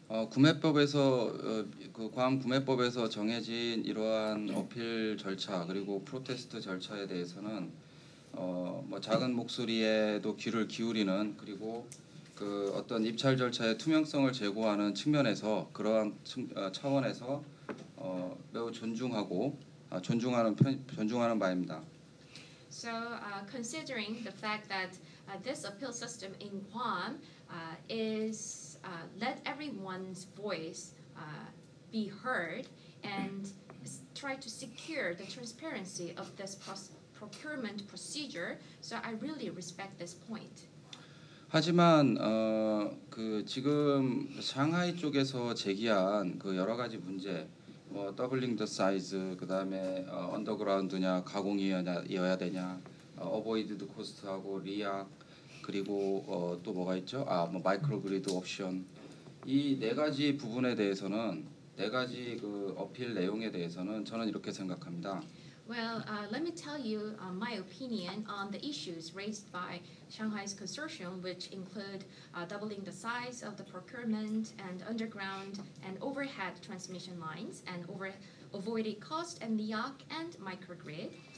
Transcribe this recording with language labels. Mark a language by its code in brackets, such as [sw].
[ko] 구매법에서 그 괌 구매법에서 정해진 이러한 어필 절차 그리고 프로테스트 절차에 대해서는 뭐 작은 목소리에도 귀를 기울이는 그리고 그 어떤 입찰 절차의 투명성을 제고하는 측면에서 그러한 차원에서 매우 존중하고 존중하는 바입니다. [en] So considering the fact that this appeal system in Guam is let everyone's voice be heard and try to secure the transparency of this procurement procedure, so I really respect this point. [ko] 하지만 그 지금 상하이 쪽에서 제기한 그 여러 가지 문제, 뭐 더블링 더 사이즈, 그 다음에 언더그라운드냐, 가공이어야 되냐, 어보이드드 코스트하고 리약, 그리고 또 뭐가 있죠? 뭐 마이크로그리드 옵션. 이 네 가지 부분에 대해서는 네 가지 그 어필 내용에 대해서는 저는 이렇게 생각합니다. [en] Well, let me tell you my opinion on the issues raised by Shanghai's consortium, which include doubling the size of the procurement and underground and overhead transmission lines and avoided cost and LIAC and microgrid.